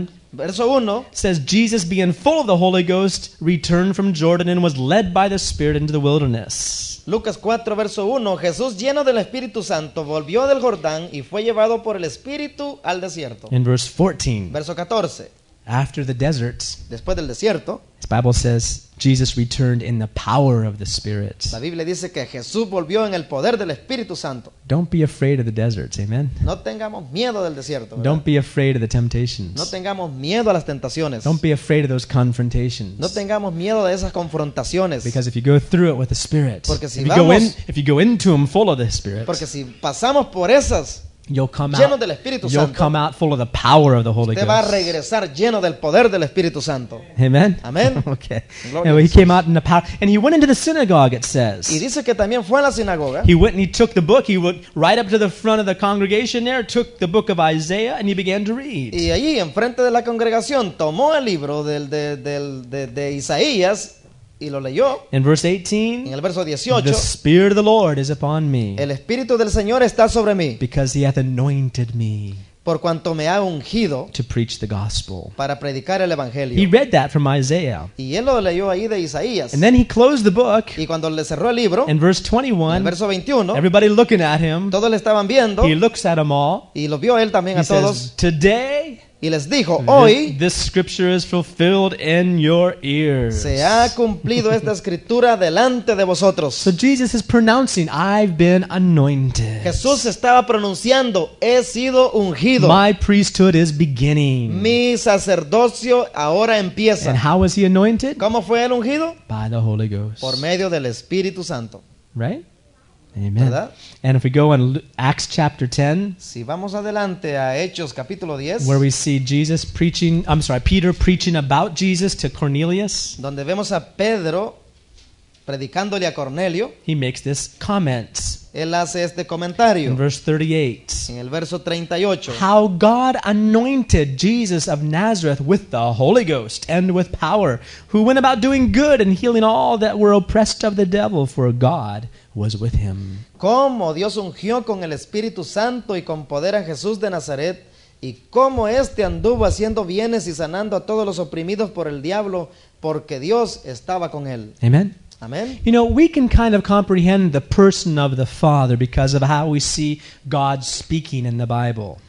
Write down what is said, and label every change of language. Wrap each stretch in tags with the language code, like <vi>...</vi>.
<en>verse 1 says Jesus, being full of the Holy Ghost, returned from Jordan and was led by the Spirit into the wilderness.</en> <es>Lucas 4, verso 1, Jesús lleno del Espíritu Santo volvió del Jordán y fue llevado por el Espíritu al desierto.</es> <en>In verse 14,</en> <es>verso 14,</es> <en>after the desert,</en> <es>después del desierto,</es> <en>the Bible says Jesus returned in the power of the Spirit.</en> <es>La Biblia dice que Jesús volvió en el poder del Espíritu Santo.</es> <en>Don't be afraid of the deserts, amen.</en> <es>No tengamos miedo del desierto, ¿verdad?</es> <en>Don't be afraid of the temptations.</en> <es>No tengamos miedo a las tentaciones.</es> <en>Don't be afraid of those confrontations.</en> <es>No tengamos miedo de esas confrontaciones.</es> <en>Because if you go through it with the Spirit,</en> <es>porque si</es> <en>if you go into them full of the Spirit,</en> <es>porque si pasamos por esas,</es> <en>You'll come out full of the power of the Holy Ghost.</en> <es>Va a regresar lleno del poder del Espíritu Santo.</es> <en>Amen.</en> <es>Amen.</es> <en>Okay. Yeah, well, he came out in the power, and he went into the synagogue. It says.</en> <es>Y dice que también fue a la sinagoga.</es> <en>He went and he took the book. He went right up to the front of the congregation. There, took the book of Isaiah, and he began to read.</en> <es>Y allí, en frente de la congregación, tomó el libro de Isaías. Y lo leyó.</es> <en>In verse 18,</en> <es>en el verso 18,</es> <en>the Spirit of the Lord is upon me.</en> <es>El Espíritu del Señor está sobre mí.</es> <en>Because he hath anointed me.</en> <es>Por cuanto me ha ungido.</es> <en>To preach the gospel.</en> <es>Para predicar el evangelio.</es> <en>He read that from Isaiah.</en> <es>Y él lo leyó ahí de Isaías.</es> <en>And then he closed the book.</en> <es>Y cuando le cerró el libro.</es> <en>In verse 21,</en> <es>en el verso 21,</es> <en>everybody looking at him.</en> <es>Todos le estaban viendo.</es> <en>He looks at them all.</en> <es>Y lo vio él también</es> <en>he</en> <es>a todos.</es> <en>Says, today.</en> <es>Y les dijo, hoy,</es> <en>this scripture is fulfilled in your ears.</en> <es>Se ha cumplido esta escritura delante de vosotros.</es> <en>So Jesus is pronouncing, I've been anointed.</en> <es>Jesús estaba pronunciando, he sido ungido.</es> <en>My priesthood is beginning.</en> <es>Mi sacerdocio ahora empieza.</es> <en>And how was he anointed?</en> <es>¿Cómo fue él ungido?</es> <en>By the Holy Ghost.</en> <es>Por medio del Espíritu Santo.</es> <en>Right? Amen. And if we go in Acts chapter 10,</en> <es>si vamos adelante a Hechos capítulo 10,</es> <en>where we see Jesus preaching, I'm sorry, Peter preaching about Jesus to Cornelius,</en> <es>donde vemos a Pedro predicándole a Cornelio,</es> <en>he makes this comment.</en> <es>Él hace este comentario.</es> <en>In verse 38.</en> <es>En el verso 38.</es> <en>How God anointed Jesus of Nazareth with the Holy Ghost and with power, who went about doing good and healing all that were oppressed of the devil, for God was with him.</en> <es>Cómo Dios ungió con el Espíritu Santo y con poder a Jesús de Nazaret, y cómo este anduvo haciendo bienes y sanando a todos los oprimidos por el diablo, porque Dios estaba con él.</es> <en>Amen.</en> <es>Amen.</es> <en>You know, we can kind of comprehend the person of the Father because of how we see God speaking in the Bible.</en>